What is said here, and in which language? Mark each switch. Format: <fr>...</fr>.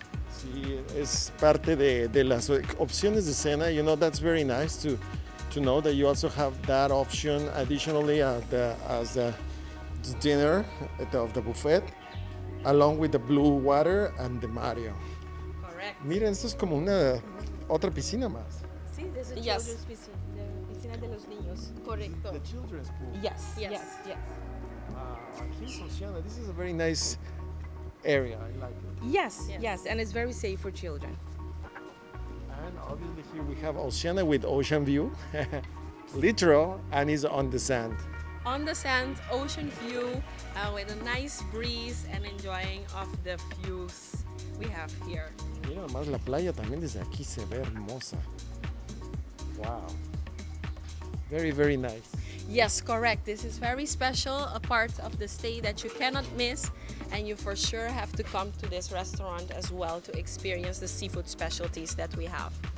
<es>Sí, es parte de las opciones de cena.</es> <en>You know, that's very nice to know that you also have that option additionally as the dinner of the buffet, along with the blue water and the Mario. Correct.</en> <es>Miren, esto es como una otra piscina más.</es> <en>Sí, there's a children's piscina. The piscina</en> <es>de los niños. Correcto.</es> <en>The children's pool. Yes, yes, yes.</en> <es>Aquí en Oceana,</es> <en>this is a very nice area. I like it. Yes, and it's very safe for children. And obviously here we have Oceana with ocean view. Literal, and it's on the sand. On the sand, ocean view, with a nice breeze and enjoying of the views we have here.</en> <es>Mira nomás la playa también desde aquí se ve hermosa.</es> <en>Wow. Very, very nice. Yes, correct. This is very special, a part of the stay that you cannot miss, and you for sure have to come to this restaurant as well to experience the seafood specialties that we have.</en>